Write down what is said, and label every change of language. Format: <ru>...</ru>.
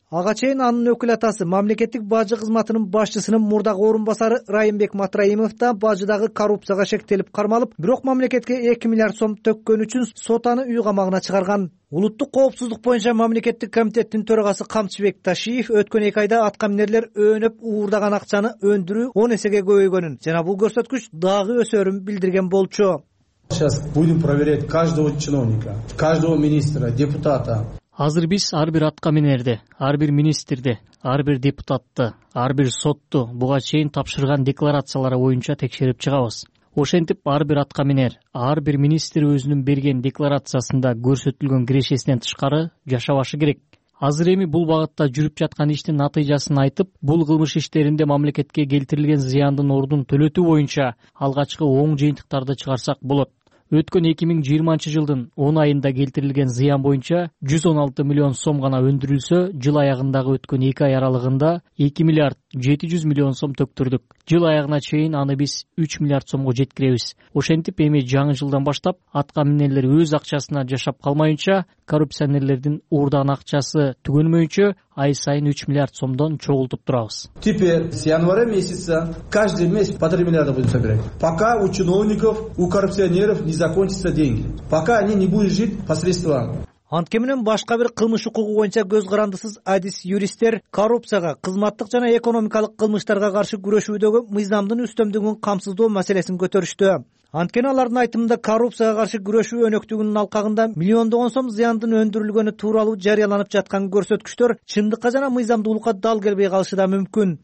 <ky>Ага чейин анын өкүл атасы мамлекеттик бажы кызматынын башчысынын мурдагы орун басары Райымбек Матраимов да бажыдагы коррупцияга шектелип кармалып, бирок мамлекетке 2 миллиард сом төккөн үчүн сот аны үй камагына чыгарган. Улуттук коопсуздук боюнча мамлекеттик комитеттин төрагасы Камчыбек Ташиев өткөн 2 айда аткаминерлер өөнөп уурдаган акчаны өндүрүү 10 эсеге көбөйгөнүн жана бул көрсөткүч дагы өсөрүн билдирген болчу.</ky> <ru>Сейчас будем проверять каждого чиновника, каждого министра, депутата.</ru> <ky>Азыр биз ар бир аткаминерди, ар бир министрди, ар бир депутатты, ар бир сотту буга чейин тапшырган декларациялары боюнча текшерип чыгабыз. Ошентип ар бир аткаминер, ар бир министр өзүнүн берген декларациясында көрсөтүлгөн кирешесинен тышкары жашабашы керек. Азыр эми бул багытта жүрүп жаткан иштин натыйжасын айтып, бул кылмыш иштеринде мамлекетке келтирилген зыяндын ордун төлөтүү боюнча алгачкы оң жыйынтыктарды чыгарсак болот. Өткөн 2020 жылдын 10 айында келтирилген зыян боюнча 116 миллион сом гана өндүрүлсө, жыл аягындагы өткөн 2 ай аралыгында 2 миллиард 700 миллион сом төктүрдүк. Жыл аягына чейин аны биз 3 миллиард сомго жеткиребиз. Ошентип эми жаңы жылдан баштап аткаминерлер өз акчасына жашап калмайынча, коррупционерлердин уурдаган акчасы түгөнмөйүнчө ай сайын 3 миллиард сомдон чогултуп турабыз.</ky> <ru>Теперь с января месяца каждый месяц по 3 миллиарда будем собирать. Пока у чиновников, у коррупционеров не закончатся деньги. Пока они не будут жить посредством.</ru> <ky>Антке менен башка бир кылмыш укугу боюнча көз карандысыз адис юристтер коррупцияга, кызматтык жана экономикалык кылмыштарга каршы күрөшүүдөгү мыйзамдын үстөмдүгүн камсыздоо маселесин көтөрүштү. Анткени алардын айтымында коррупцияга каршы күрөшүү өнөктүгүнүн алкагында миллиондогон сом зыяндын өндүрүлгөнү тууралуу жарыяланып жаткан көрсөткүчтөр чындыкка жана мыйзамдуулукка дал келбей калышы да мүмкүн.</ky>